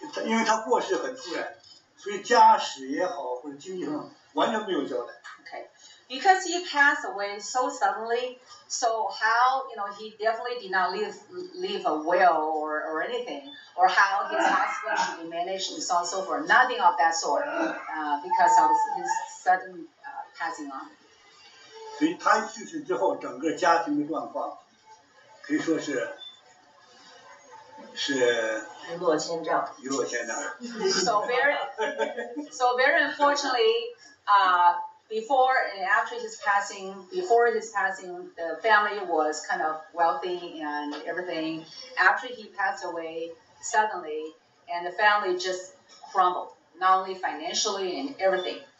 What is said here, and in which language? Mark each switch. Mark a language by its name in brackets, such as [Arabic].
[Chinese] 因为他过世很突然，所以家史也好或者经济上完全没有交代。 [English] Okay. Because he passed away so suddenly, so how, you know, he definitely did not leave a will or anything, or how his hospital should be managed and so on and so forth. Nothing of that sort, because of his sudden passing on. [Chinese] 所以他去世之后，整个家庭的状况可以说是一落千丈。 [English] So very unfortunately, before and after his passing, the family was kind of wealthy and everything. After he passed away suddenly, and the family just crumbled, not only financially and everything.